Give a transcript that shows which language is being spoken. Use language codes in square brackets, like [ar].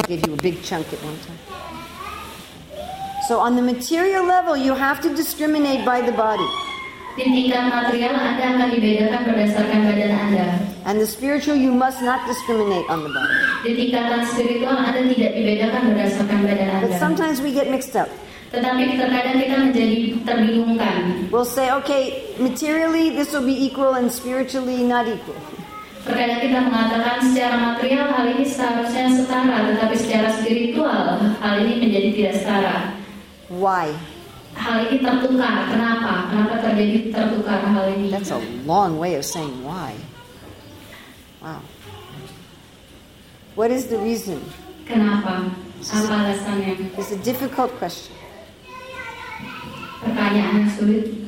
[en] I gave you a big chunk at one time. So on the material level, you have to discriminate by the body. [id] Di tingkat material, Anda akan dibedakan berdasarkan badan Anda. [en] And the spiritual, you must not discriminate on the body. [id] Di tingkat spiritual, Anda tidak dibedakan berdasarkan badan Anda. [en] But sometimes we get mixed up. [id] Tetapi terkadang kita menjadi terbingungkan. [en] We'll say, okay, materially this will be equal and spiritually not equal. [id] Terkadang kita mengatakan secara material hal ini seharusnya setara, tetapi secara spiritual hal ini menjadi tidak setara. [en] Why? [id] Hal ini tertukar. Kenapa? Kenapa terjadi tertukar hal ini? [en] That's a long way of saying why. Wow. What is the reason? [id] Kenapa? Apa alasannya? [en] It's a difficult question. [id] Pertanyaannya sulit.